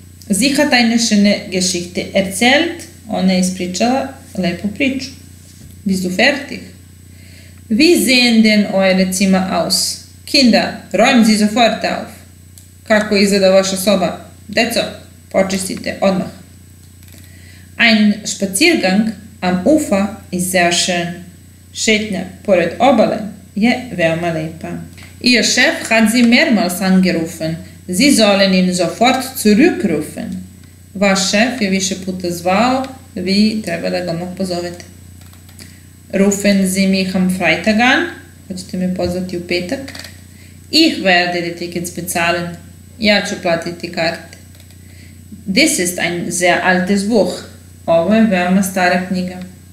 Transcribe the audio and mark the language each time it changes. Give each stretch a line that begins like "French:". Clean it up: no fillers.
German: Sie hat eine schöne Geschichte erzählt.
Serbian: Ona je ispričala lepu priču.
German: Bist du fertig? Wie sehen denn eure Zimmer aus? Kinder, räumen Sie sofort auf.
Serbian: Kako izgleda vaša soba? Deco, počistite odmah.
German: Ein Spaziergang am Ufer ist sehr schön.
Serbian: Šetnja pored obale je veoma lepa.
German: Ihr Chef hat Sie mehrmals angerufen. Sie sollen ihn sofort zurückrufen.
Serbian: Vaš šef je više puta zvao, vi treba da ga mu pozovete.
German: Rufen Sie mich am Freitag an.
Serbian: Hoćete me pozvati u petak.
German: Ich werde die Tickets bezahlen.
Serbian: Ja ću platiti karte.
German: This ist ein sehr altes Buch.
Serbian: Ovo je veoma stara knjiga.